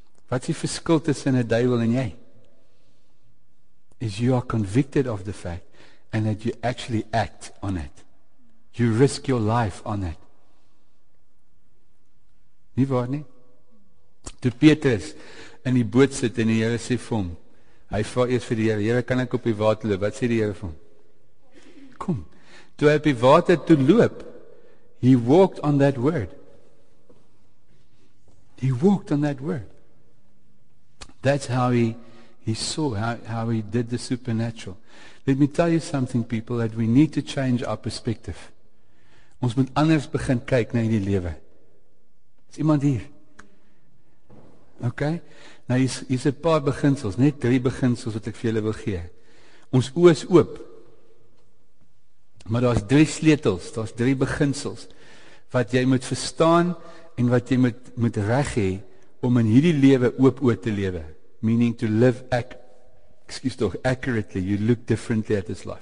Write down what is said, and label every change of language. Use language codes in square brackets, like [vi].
[af] Wat is die verskil tussen 'n duivel en jy? [en] Is you are convicted of the fact and that you actually act on it. You risk your life on it. [af] Nie waar nie? Toe Petrus in die boot sit en die Here sê vir hom, hy vra eers vir die Here, Here, kan ek op die water loop? Wat sê die Here vir hom? Kom. Toe hy op die water toe loop, [en] he walked on that word. He walked on that word. That's how he saw, how he did the supernatural. Let me tell you something, people, that we need to change our perspective. [af] Ons moet anders begin kyk na die lewe. Is iemand hier? Okay? Nou, hier is 'n paar beginsels, net 3 beginsels wat ek vir julle wil gee. Ons oë is oop. Maar daar's 3 sleutels, daar's 3 beginsels wat jy moet verstaan en wat jy moet reg hê om in hierdie lewe oop oë te lewe. [en] Meaning to live accurately, you look differently at this life.